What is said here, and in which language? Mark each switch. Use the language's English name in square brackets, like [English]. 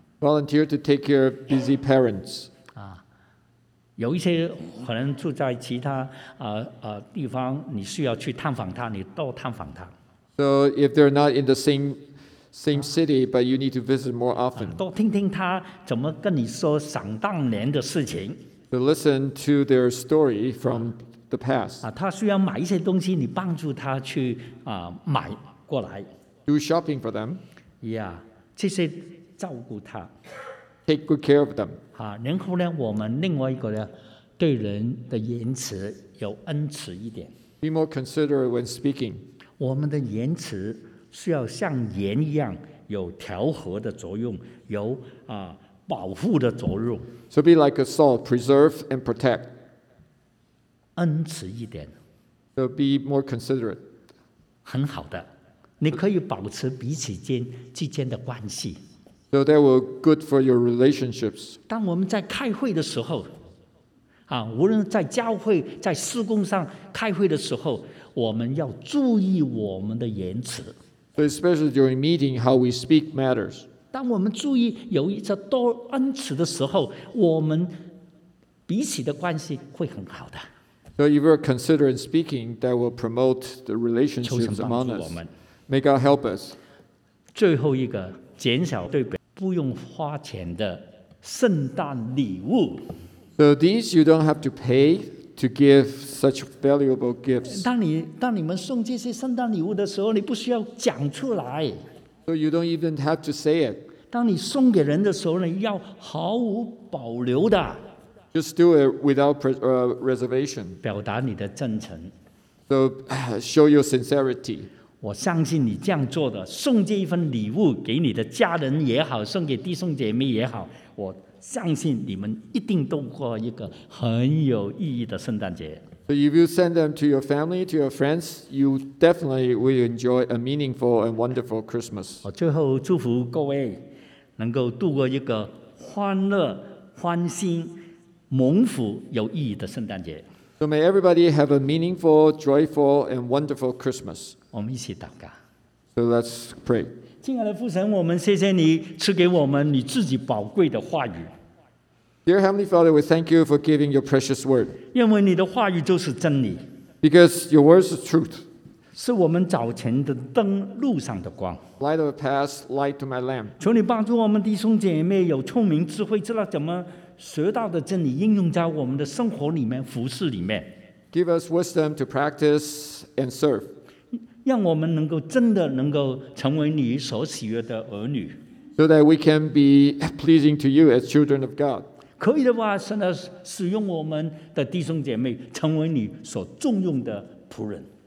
[English] Volunteer to take care of busy parents. [Chinese] 有一些可能住在其他地方，你需要去探访他，你多探访他。 [English] So if they're not in the same city, but you need to visit more often. [Chinese] 多听听他怎么跟你说想当年的事情。 [English] To listen to their story from the past. [Chinese] 他需要买一些东西，你帮助他去买过来。 [English] Do shopping for them. [Chinese] Yeah, 这些照顾他。 [English] Take good care of them. [Chinese] 然后呢，我们另外一个呢，对人的言辞有恩慈一点。 [English] Be more considerate when speaking. [Chinese] 我们的言辞需要像盐一样有调和的作用，有保护的作用。 [English] So be like a salt, preserve and protect. [Chinese] 恩慈一点。 [English] So be more considerate. [Chinese] 很好的，你可以保持彼此间之间的关系。 [English] So that will good for your relationships. [Chinese] 当我们在开会的时候，无论在教会、在事工上开会的时候，我们要注意我们的言辞。 [English] So especially during meeting, how we speak matters. [Chinese] 当我们注意有一些多恩慈的时候，我们彼此的关系会很好的。 [English] So if we're considering speaking, that will promote the relationships among us. May God help us. [Chinese] 最后一个。减少对不用花钱的圣诞礼物。 [English] So these you don't have to pay to give such valuable gifts. [Chinese] 当你们送这些圣诞礼物的时候，你不需要讲出来。 [English] So you don't even have to say it. [Chinese] 当你送给人的时候，你要毫无保留的。 [English] Just do it without reservation. [Chinese] 表达你的真诚。 [English] So show your sincerity. [Chinese] 我相信你这样做的，送这一份礼物给你的家人也好，送给弟兄姐妹也好，我相信你们一定度过一个很有意义的圣诞节。 [English] So if you send them to your family, to your friends, you definitely will enjoy a meaningful and wonderful Christmas. [Chinese] 我最后祝福各位能够度过一个欢乐、欢欣、蒙福、有意义的圣诞节。 [English] So may everybody have a meaningful, joyful, and wonderful Christmas. [Chinese] 我们一起祷告。 [English] So let's pray. [Chinese] 亲爱的父神，我们谢谢你赐给我们你自己宝贵的话语。 [English] Dear Heavenly Father, we thank you for giving your precious word. [Chinese] 因为你的话语就是真理。 [English] Because your words are truth. [Chinese] 是我们早晨的灯，路上的光。 [English] Light of the path, light to my lamp. [Chinese] 求你帮助我们弟兄姐妹有聪明智慧，知道怎么学到的真理应用在我们的生活里面、服事里面。 [English] Give us wisdom to practice and serve. [Chinese] 让我们能够真的能够成为你所喜悦的儿女。 [English] So that we can be pleasing to you as children of God. [Chinese] 可以的话，神的使用我们的弟兄姐妹成为你所重用的仆人。